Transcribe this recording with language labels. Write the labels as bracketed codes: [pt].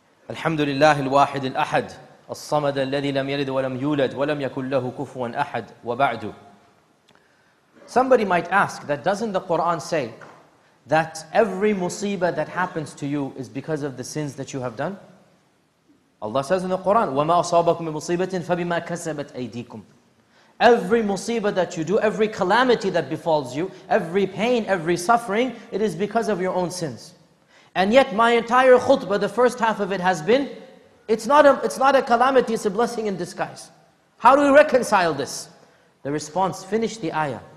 [ar] الحمد لله الواحد الأحد الصمد الذي لم يلد ولم يولد ولم يكن له كفوا أحد وبعد. [en] Somebody might ask that doesn't the Quran say that every musibah that happens to you is because of the sins that you have done? Allah says in the Quran, [ar] وما أصابكم من مصيبة فبما كسبت أيديكم. [en] Every musibah that you do, every calamity that befalls you, every pain, every suffering, it is because of your own sins. And yet my entire khutbah, the first half of it has been, it's not a calamity, it's a blessing in disguise. How do we reconcile this? The response, finish the ayah.